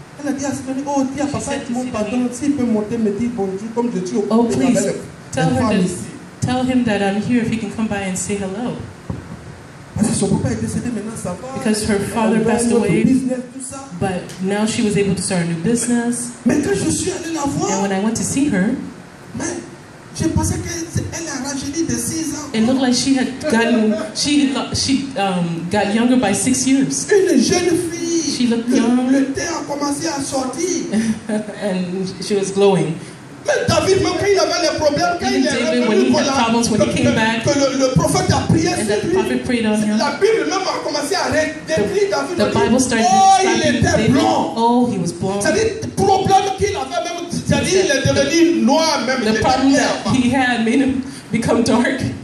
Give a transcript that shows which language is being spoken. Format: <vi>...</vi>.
<fr>Elle a dit à ce moment, oh, dis à papa, mon pardon, s'il peut monter, me dire bonjour, comme je suis au pays.</fr> <en>Tell him that I'm here if he can come by and say hello. Because her father passed away, but now she was able to start a new business. And when I went to see her, it looked like she had gotten she got younger by 6 years. She looked young. And she was glowing.</en> <fr>David, même quand il avait les problèmes, quand</fr> <en>even David, when he had problems, when he came back,</en> <fr>le prophète a prié</fr> <en>and that the prophet prayed on him,</en> <fr>la Bible même a commencé à décrire David.</fr> <en>The Bible started to say, oh,</en> <fr>il était David, blanc.</fr> <en>Oh, he was blonde.</en> <fr>C'est-à-dire, le problème qu'il avait même, c'est-à-dire, il est devenu noir même.</fr> <en>The problem that he had made him become dark.</en>